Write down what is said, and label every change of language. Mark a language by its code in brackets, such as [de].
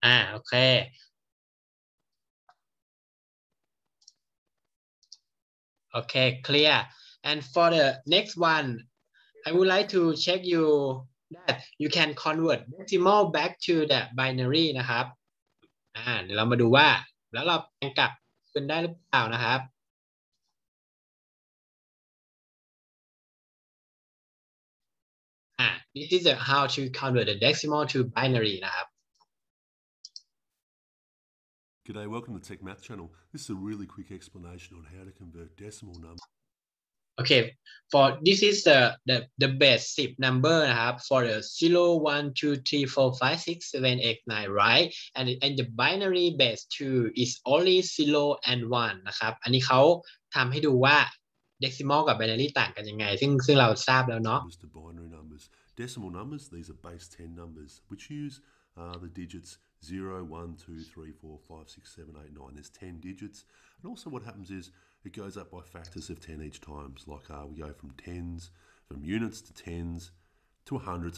[th] โอเคโอเคเคลียร์ [en] And for the next one, I would like to check you that you can convert decimal back to the binary นะครับ [th] เดี๋ยวเรามาดูว่าแล้วเราแปลงกลับเป็นได้หรือเปล่านะครับ [en] This is how to convert the decimal to binary นะครับ G'day, welcome to Tech Math Channel. This is a really quick explanation on how to convert decimal numbers. Okay, for this is the best SIP number นะครับ for the 0 1 2 3 4 5 6 7 8 9 right and the binary base 2 is only 0 and 1นะครับ [th] อันนี้เขาทำให้ดูว่า decimal กับ binary ต่างกันยังไงซึ่งเราทราบแล้วเนาะ [en] the binary numbers decimal numbers these are base 10 numbers which use the digits 0 1 2 3 4 5 6 7 8 9 there's 10 digits and also what happens isIt goes up by factors of 10 each time. So like we go from tens, from units to tens to hundreds.